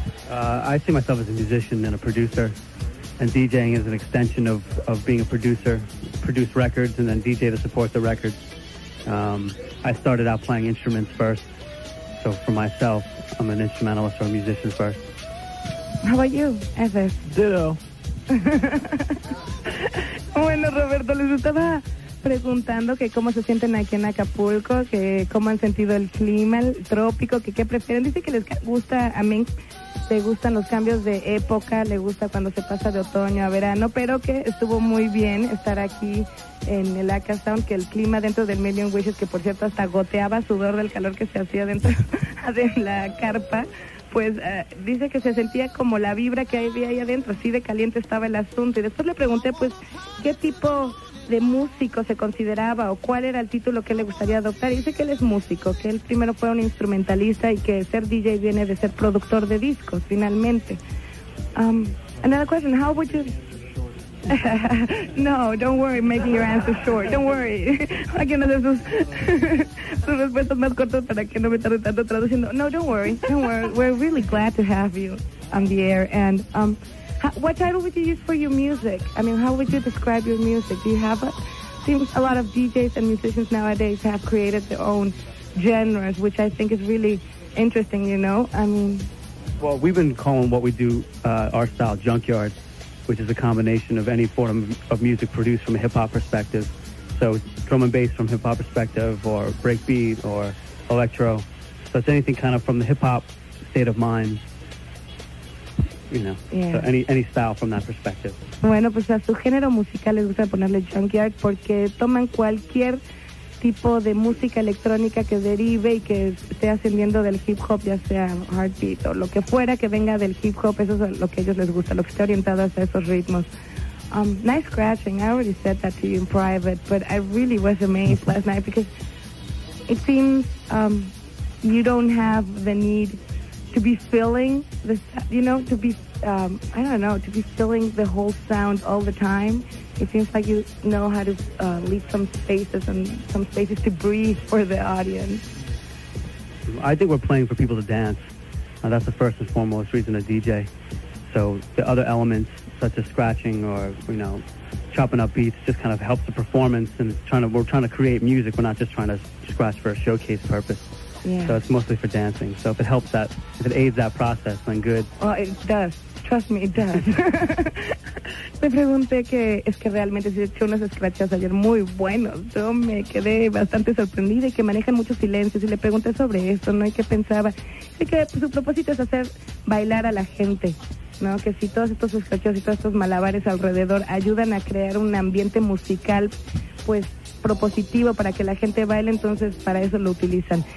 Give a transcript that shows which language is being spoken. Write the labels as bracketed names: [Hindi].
[English] I see myself as a musician and a producer. And DJing is an extension of being a producer, produce records, and then DJ to support the records. I started out playing instruments first. So for myself, I'm an instrumentalist or a musician first. How about you, Evan? Ditto. [Spanish] Bueno, Roberto, les estaba preguntando que cómo se sienten aquí en Acapulco, que cómo han sentido el clima, el trópico, que qué prefieren. Dice que les gusta a mí. Le gustan los cambios de época, le gusta cuando se pasa de otoño a verano, pero que estuvo muy bien estar aquí en el Aka Sound, que el clima dentro del Million Wishes, que por cierto hasta goteaba sudor del calor que se hacía dentro de la carpa, pues dice que se sentía como la vibra que había ahí adentro, así de caliente estaba el asunto. Y después le pregunté, pues, ¿qué tipo de músico se consideraba o cuál era el título que le gustaría adoptar? Y dice que él es músico, que él primero fue un instrumentalista y que ser DJ viene de ser productor de discos, finalmente. [English] Another question, how would you... No, don't worry, making your answer short, don't worry. [Spanish] Aquí una de sus respuestas más cortas para que no me tarde tanto traduciendo. [English] No, don't worry, we're really glad to have you on the air. And what title would you use for your music? I mean, how would you describe your music? Do you have a... Seems a lot of DJs and musicians nowadays have created their own genres, which I think is really interesting, you know? I mean... Well, we've been calling what we do our style Junkyard, which is a combination of any form of music produced from a hip-hop perspective. So drum and bass from hip-hop perspective, or breakbeat, or electro. So it's anything kind of from the hip-hop state of mind. You know, yeah. So any style from that perspective. [Spanish] Bueno, pues a su género musical les gusta ponerle Junkyard porque toman cualquier tipo de música electrónica que derive y que esté ascendiendo del hip hop, ya sea heartbeat o lo que fuera que venga del hip hop, eso es lo que a ellos les gusta, lo que esté orientado hacia esos ritmos. [English] Nice scratching, I already said that to you in private, but I really was amazed last night because it seems you don't have the need to be filling the, you know, to be, I don't know, to be filling the whole sound all the time. It seems like you know how to leave some spaces and some spaces to breathe for the audience. I think we're playing for people to dance. That's the first and foremost reason to DJ. So the other elements, such as scratching or, you know, chopping up beats, just kind of helps the performance, and we're trying to create music. We're not just trying to scratch for a showcase purpose. Yeah. So it's mostly for dancing. So if it helps that, if it aids that process, then good. Well, it does. Trust me, it does. [Spanish] Me pregunté que es que realmente se echó unos scratches ayer muy buenos. Yo me quedé bastante sorprendida y que manejan muchos silencios. Y le pregunté sobre esto, ¿no? Y qué pensaba. Y que su propósito es hacer bailar a la gente, ¿no? Que si todos estos scratches y todos estos malabares alrededor ayudan a crear un ambiente musical, pues, propositivo para que la gente baile, entonces para eso lo utilizan.